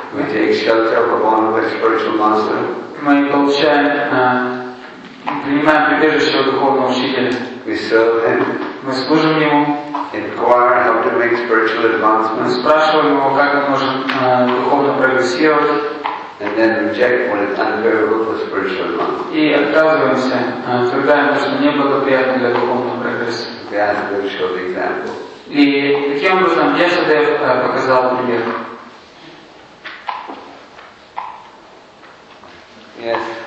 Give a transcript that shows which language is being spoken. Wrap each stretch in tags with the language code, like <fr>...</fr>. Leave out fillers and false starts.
<en>We take shelter from one of his spiritual master.</en> <ru>Мы получаем принимаем прибежище от духовного учителя.</ru> <en>We serve him.</en> <ru>Мы служим ему.</ru> <en>Inquire how to make spiritual advancement.</en> <ru>Мы спрашиваем его, как он может духовно прогрессировать.</ru> <en>And then reject when it's unfavorable for spiritual advancement.</en> <ru>И отказываемся, утверждаем, что неблагоприятно для духовного прогресса.</ru> <en>We ask him to show the example.</en> <ru>И таким образом Vyasadeva показал пример.</ru> <en>Yes.</en>